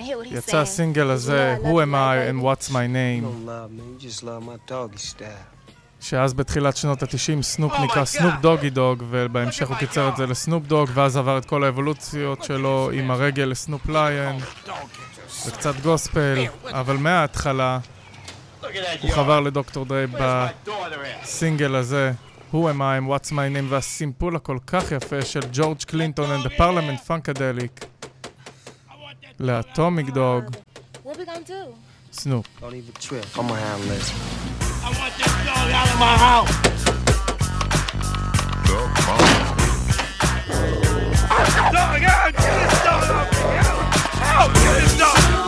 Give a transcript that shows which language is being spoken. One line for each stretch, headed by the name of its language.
Hebrew: יצא הסינגל הזה, Who Am I and What's My Name.
English: You don't love me, you just love my doggy style.
Hebrew: שאז בתחילת שנות ה-90 סנופ נקרא סנופ דוגי דוג, ובהמשך הוא קיצר את זה לסנופ דוג, ואז עבר את כל האבולוציות שלו עם הרגל לסנופ ליין וקצת גוספל, אבל מההתחלה הוא חבר לדוקטור דרי בסינגל הזה Who Am I and What's My Name, והסימפול הכל כך יפה של ג'ורג' קלינטון and the Parliament Funkadelic לאטומיק דוג סנופ.
English: I want this dog out of my house. Dog, come on. Dog, yeah, get this dog out of my house. Get this dog.